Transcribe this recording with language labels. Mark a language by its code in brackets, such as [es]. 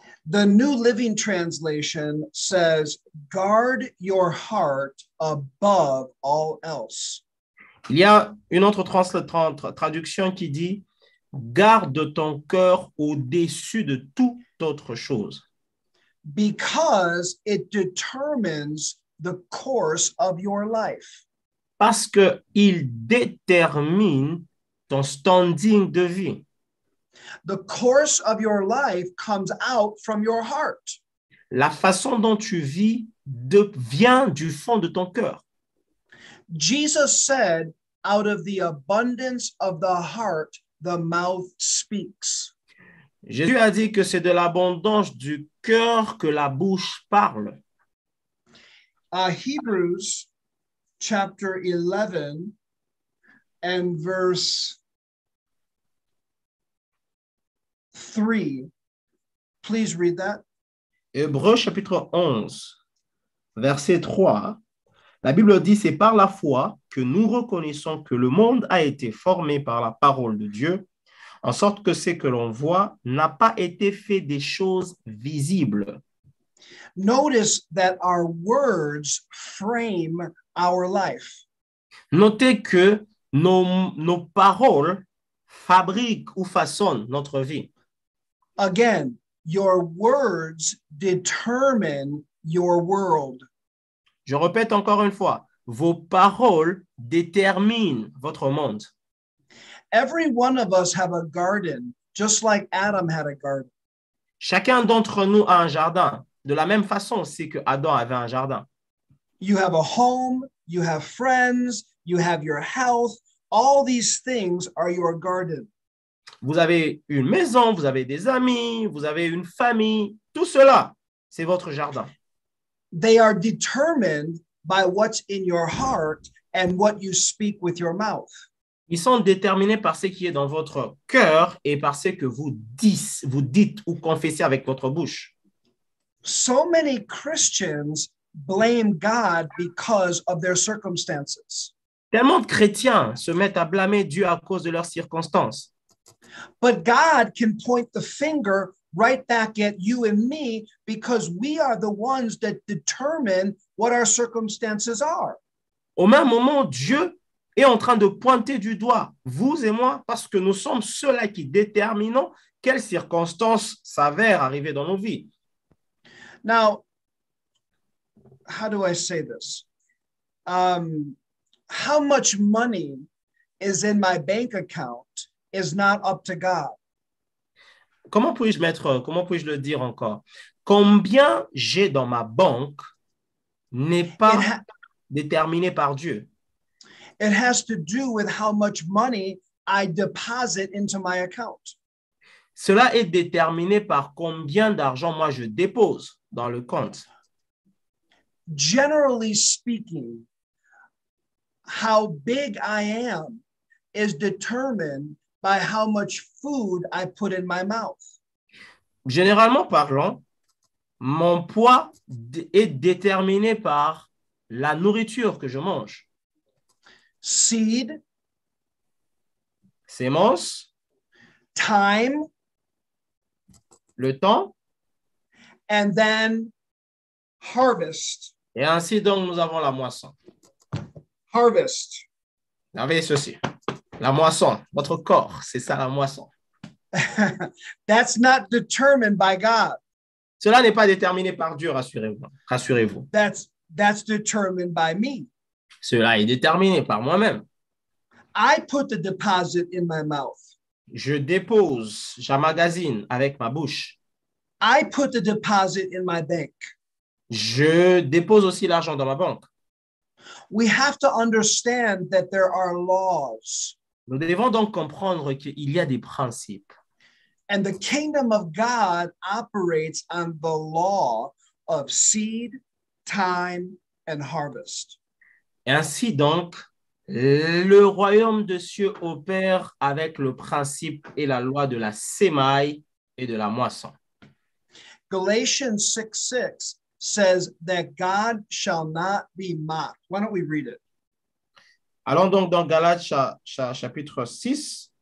[en] The New Living Translation says, guard your heart above all else. [fr] Il y a une autre traduction qui dit, garde ton cœur au-dessus de toute autre chose. [en] Because it determines the course of your life. [fr] Parce qu'il détermine ton standing de vie. [en] The course of your life comes out from your heart. [fr] La façon dont tu vis vient du fond de ton cœur. [en] Jesus said, out of the abundance of the heart, the mouth speaks. [fr] Jésus a dit que c'est de l'abondance du cœur que la bouche parle. [en] Hebrews chapter 11 and verse 3. Please read that. [fr] Hébreux chapitre 11, verset 3. La Bible dit, c'est par la foi que nous reconnaissons que le monde a été formé par la parole de Dieu, en sorte que ce que l'on voit n'a pas été fait des choses visibles. [en] Notice that our words frame our life. [fr] Notez que nos paroles fabriquent ou façonnent notre vie. [en] Again, your words determine your world. [fr] Je répète encore une fois, vos paroles déterminent votre monde. [en] Every one of us have a garden, just like Adam had a garden. [fr] Chacun d'entre nous a un jardin, de la même façon aussi que Adam avait un jardin. [en] You have a home, you have friends, you have your health, all these things are your garden. [fr] Vous avez une maison, vous avez des amis, vous avez une famille. Tout cela, c'est votre jardin. [en] They are determined by what's in your heart and what you speak with your mouth. [fr] Ils sont déterminés par ce qui est dans votre cœur et par ce que vous dites ou confessez avec votre bouche. [en] So many Christians blame God because of their circumstances. [fr] Tellement de chrétiens se mettent à blâmer Dieu à cause de leurs circonstances. [en] But God can point the finger right back at you and me because we are the ones that determine what our circumstances are. [fr] Au même moment, Dieu est en train de pointer du doigt vous et moi parce que nous sommes ceux-là qui déterminons quelles circonstances s'avèrent arriver dans nos vies. [en] Now, how do I say this? How much money is in my bank account is not up to God. [fr] Comment puis-je le dire encore? Combien j'ai dans ma banque n'est pas déterminé par Dieu. [en] It has to do with how much money I deposit into my account. [fr] Cela est déterminé par combien d'argent moi je dépose dans le compte. [en] Generally speaking, how big I am is determined by how much food I put in my mouth. [fr] Généralement parlant, mon poids est déterminé par la nourriture que je mange. [en] Seed. [fr] Sémence. [en] Time. [fr] Le temps. [en] And then harvest. [fr] Et ainsi donc nous avons la moisson. [en] Harvest. [fr] La veille ceci. La moisson, votre corps, c'est ça la moisson. [en] That's not determined by God. [fr] Cela n'est pas déterminé par Dieu, rassurez-vous. [en] That's determined by me. [fr] Cela est déterminé par moi-même. [en] I put the deposit in my mouth. [fr] Je dépose, j'emmagasine avec ma bouche. [en] I put the deposit in my bank. [fr] Je dépose aussi l'argent dans ma banque. [en] We have to understand that there are laws. [fr] Nous devons donc comprendre qu'il y a des principes. [en] And the kingdom of God operates on the law of seed, time, and harvest. [fr] Ainsi donc, le royaume de Dieu opère avec le principe et la loi de la semaille et de la moisson. [en] Galatians 6:6 says that God shall not be mocked. Why don't we read it? [fr] Allons donc dans Galates chapitre 6.